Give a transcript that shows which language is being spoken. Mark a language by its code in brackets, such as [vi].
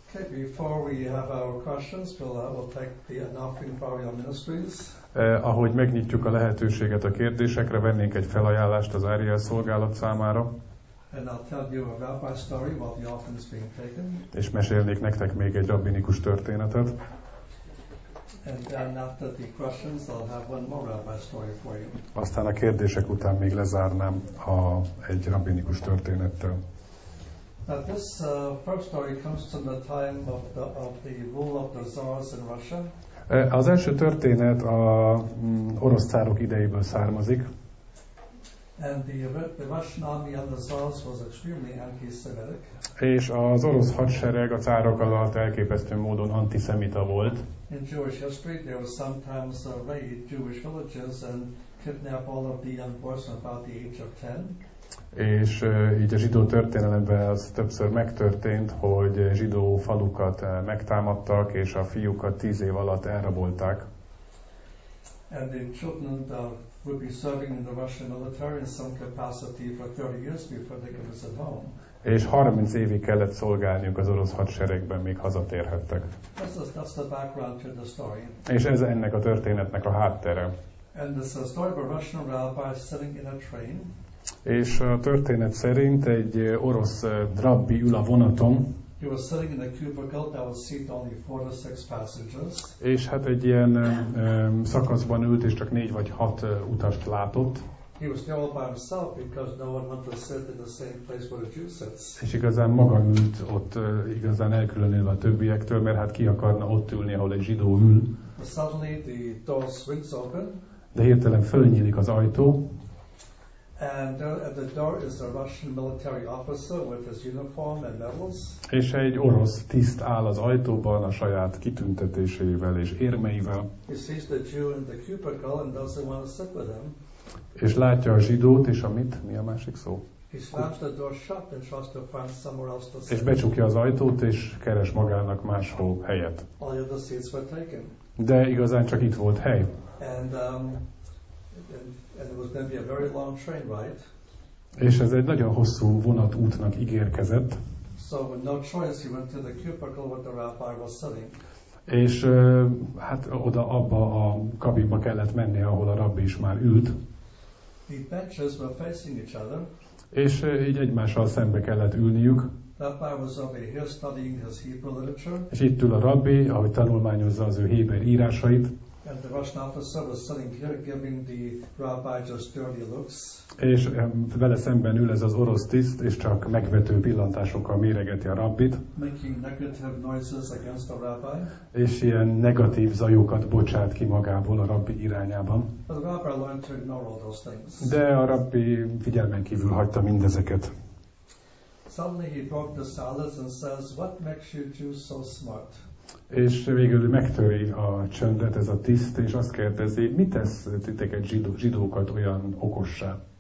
[en] Okay, before we have our questions, we'll take the offering for our ministries. [hu] Ahogy megnyitjuk a lehetőséget a kérdésekre, vennénk egy felajánlást az Ariel szolgálat számára. [en] And I'll tell you a rabbi story while the offering is being taken. [hu] És mesélnék nektek még egy rabbinikus történetet. [en] And then after the questions, I'll have one more rabbi story for you. [hu] Aztán a kérdések után még lezárnám egy rabbinikus történettel. [en] Now this first story comes from the time of the rule of the Tsars in Russia. [hu] Az első történet a orosz cárok idejéből származik. [en] And the Russian army and the Tsars was extremely anti-Semitic. [hu] És az orosz hadsereg a cárok alatt elképesztő módon antiszemita volt. [en] In Jewish history, there was sometimes a raid Jewish villages and kidnap all of the young boys about the age of 10. [hu] És így a zsidó történelemben az többször megtörtént, hogy zsidó falukat megtámadtak, és a fiúkat 10 év alatt elrabolták. [en] And the children would be serving in the Russian military in some capacity for 30 years before they could visit home. [hu] És 30 évig kellett szolgálniuk az orosz hadseregben, míg hazatérhettek. [en] That's the background to the story. [hu] És ez ennek a történetnek a háttere. [en] And this is a story of a Russian rabbi sitting in a train. [hu] És a történet szerint egy orosz rabbi ül a vonaton. [en] He was sitting in a cubicle that would seat only 4 to 6 passengers. [hu] És hát egy ilyen szakaszban ült, és csak 4 vagy 6 utast látott. [en] He was there all by himself because no one wanted to sit in the same place where the Jew sits. [hu] És igazán maga ült ott, igazán elkülönülve a többiektől, mert hát ki akarna ott ülni, ahol egy zsidó ül. [en] But suddenly the door swings open. [hu] De hirtelen fölnyílik az ajtó. [en] And at the door is a Russian military officer with his uniform and medals. [hu] És egy orosz tiszt áll az ajtóban a saját kitüntetésével és érmeivel. [en] He sees the Jew in the cubicle and doesn't want to sit with him. [hu] És látja a zsidót és amit, mi a másik szó? [en] He slams the door shut and tries to find somewhere else to sit. [hu] És becsukja az ajtót és keres magának máshol helyet. [en] All the other seats were taken. [hu] De igazán csak itt volt hely. [en] And it was going to be a very long train ride. [hu] És ez egy nagyon hosszú vonat útnak ígérkezett. [en] So with no choice, he went to the cubicle where the rabbi was sitting. [hu] És hát oda abba a kabinba kellett menni, ahol a rabbi is már ült. [en] The benches were facing each other. [hu] És így egymással szembe kellett ülniük. [en] Rabbi was over here studying his Hebrew literature. [hu] És itt ül a rabbi, ahogy tanulmányozza az ő héber írásait. [en] And the Russian officer was sitting here giving the rabbi just dirty looks. [hu] És vele szemben ül ez az orosz tiszt, és csak megvető pillantásokkal méregeti a rabbit. [en] Making negative noises against the rabbi. [hu] És ilyen negatív zajokat bocsát ki magából a rabbi irányában. [en] But the rabbi learned to ignore all those things. [hu] De a rabbi figyelmen kívül hagyta mindezeket. [en] Suddenly he broke the silence and says, "What makes you Jews so smart?" [hu] És végül megtöri a csöndet ez a tiszt, és azt kérdezi, mi tesz titeket zsidókat olyan okossá?